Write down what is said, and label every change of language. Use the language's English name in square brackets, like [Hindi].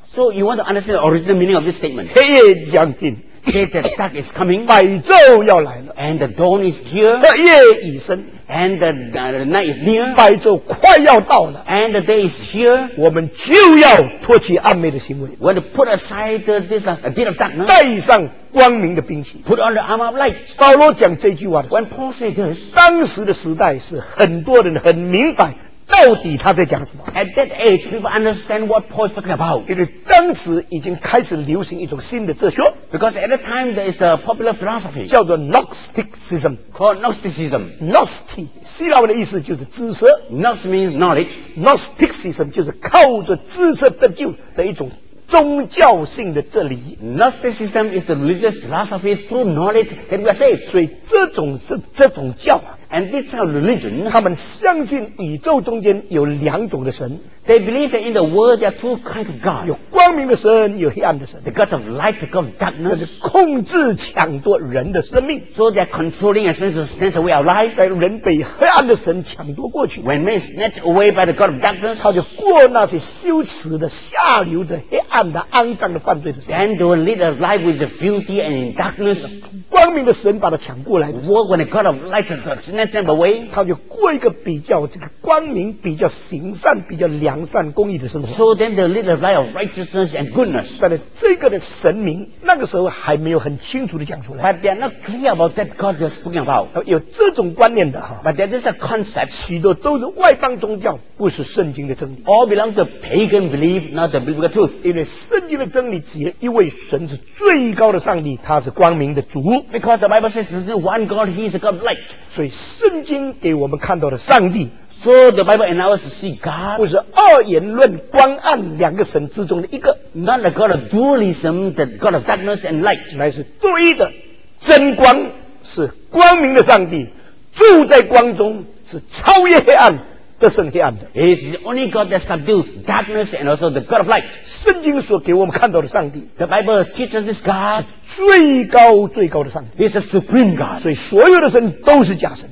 [English] ？So you want to understand the original meaning of this statement? [Chinese] 黑夜将近。 [English] The dark is coming. [Chinese] 白昼要来了。 [English] And the dawn is here. [Chinese] 黑夜已深。 [English] And the night is near. [Chinese] 白昼快要到了。 [English] And the day is here. [Chinese] 我们就要脱去暗昧的行为。 [English] We're to put aside this a bit of darkness. [Chinese] 带上光明的兵器。 [English] Put on the armor of light. [Chinese] 保罗讲这句话的。 [English] When Paul said this. [Chinese] 当时的时代是很多人很明白。到底他在讲什么 [English] ？At that age, people understand what Paul is talking about. [Chinese] 因为当时已经开始流行一种新的哲学。 [English] Because at that time there is a popular philosophy [Chinese] 叫做 Gnosticism. [English] Called Gnosticism. [Chinese] Gnosti 希腊文的意思就是知识。 [English] Gnos means knowledge. [Chinese] Gnosticism 就是靠着知识得救的一种宗教性的哲理。 [English] Gnosticism is the religious philosophy through knowledge that we are saved. [Chinese] 所以这种教啊。 [English] And this kind of religion, [Chinese] 他们相信宇宙中间有两种的神。 [English] They believe that in the world there are two kinds of God. [Chinese] 有光明的神，有黑暗的神。 [English] The God of light, the God of darkness. [Chinese] 是控制抢夺人的生命。 [English] So they are controlling and snatch away our life. [Chinese] 在人被黑暗的神抢夺过去。 [English] When man is snatched away by the God of darkness, [Chinese] 他就过那些羞耻的、下流的、黑暗的、肮脏的犯罪的生命。 [English] Then they will lead a life with the filthy and in darkness. [Chinese] 光明的神把他抢过来。 [English] When the God of light has snatched away, [Chinese] 他就过一个比较这个光明、比较行善、比较良善、公义的生活。 [English] So then they live a life of righteousness and goodness. [Chinese] 但是这个的神明那个时候还没有很清楚的讲出来。 [English] But they are not clear about that God they're speaking about. [Chinese] 有这种观念的哈。 [English] But that is a concept. [Chinese] 许多都是外邦宗教，不是圣经的真理。 [English] All belong to pagan belief, not the biblical truth. [Chinese] 因为圣经的真理只有一位神是最高的上帝，他是光明的主。 [English] Because the Bible says there is one God, He is a God of light. [Chinese] 所以圣经给我们看到的上帝 [English] So the Bible and us see God [Chinese] 不是二元论光暗两个神之中的一个 [English] Not the God of dualism The God of darkness and light [Chinese] 乃是独一的真光是光明的上帝住在光中是超越黑暗得胜黑暗的 [English] It is the only God that subdued darkness and also the God of light [Chinese] 圣经所给我们看到的上帝 [English] The Bible teaches this God [Chinese] 最高最高的上帝 [English] He's a supreme God [Chinese] 所以所有的神都是假神